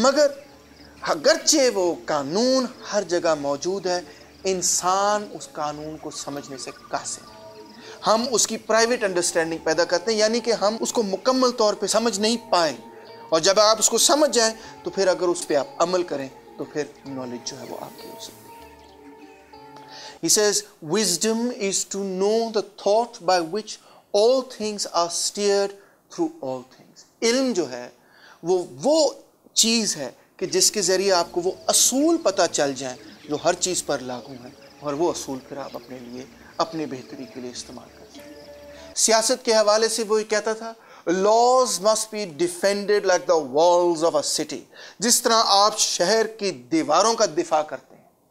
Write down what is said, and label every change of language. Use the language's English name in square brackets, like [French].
[Urdu] مگر اگرچہ وہ قانون ہر جگہ موجود ہے, انسان اس قانون کو سمجھنے سے قاصر ہے. ہم اس کی پرائیویٹ انڈرسٹینڈنگ پیدا کرتے ہیں, یعنی کہ ہم اس کو مکمل طور پہ سمجھ نہیں پائیں, اور جب آپ اس کو سمجھ جائیں تو پھر اگر اس پہ آپ عمل کریں تو پھر نالج جو ہے وہ آپ کی ہو سکتی ہے. [English] He says, wisdom is to know the thought by which all things are steered through all things. [Urdu] علم جو ہے وہ چیز ہے کہ جس کے ذریعے آپ کو وہ اصول پتہ چل جائیں جو ہر چیز پر لاگو ہیں, اور وہ اصول پھر آپ اپنے لیے, اپنے بہتری کے لیے استعمال کر سکتے ہیں. سیاست کے حوالے سے وہ یہ کہتا تھا, [English] laws must be defended like the walls of a city, [Urdu] جس طرح آپ شہر کی دیواروں کا دفاع کرتے ہیں.